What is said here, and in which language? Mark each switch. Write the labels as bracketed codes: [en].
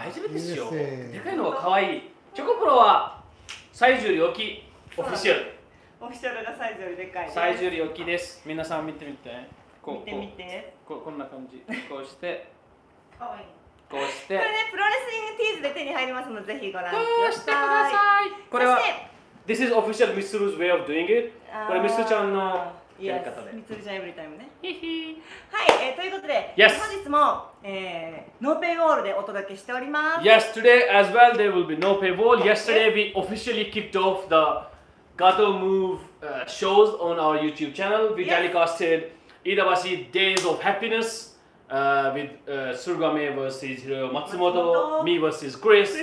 [ja] 大丈夫ですよ。でかいのは可愛い。チョコプロは最重量級オフィシャル。オフィシャルがサイズよりでかいです。サイズより大きいです。皆さん見てみて。こう見てみて。こんな感じ。こうして。かわいい。こうして。これね、プロレスリングティーズで手に入りますので、ぜひご覧ください。こうしてください。これは、 [en] This is official Mitsuru's way of doing it. [ja] これ、ミスちゃんのやり方で。ミスルちゃんエブリタイムね。ひひ。はい、ということで、 [en] yes. [ja] 本日も、ノーペイウォールでお届けしております。 [en] Yes, today as well, there will be no pay wall. Yesterday, we officially kicked off theGato Move shows on our YouTube channel. We telecasted Iidabashi Days of Happiness with Surugame vs. Hiroyo Matsumoto, me vs. Chris